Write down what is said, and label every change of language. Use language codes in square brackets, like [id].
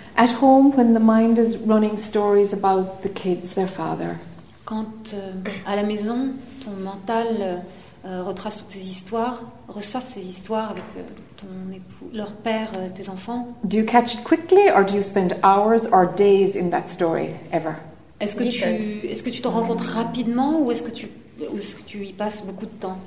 [en] At home, when the mind is running stories about the kids, their father. [fr] Quand à la maison, ton mental retrace toutes ces histoires, ressasse ces histoires avec ton époux, leur père, tes enfants. [en] Do you catch it quickly or do you spend hours or days in that story ever? [fr] Est-ce que tu t'en rends compte rapidement ou est-ce que tu y passes beaucoup de temps?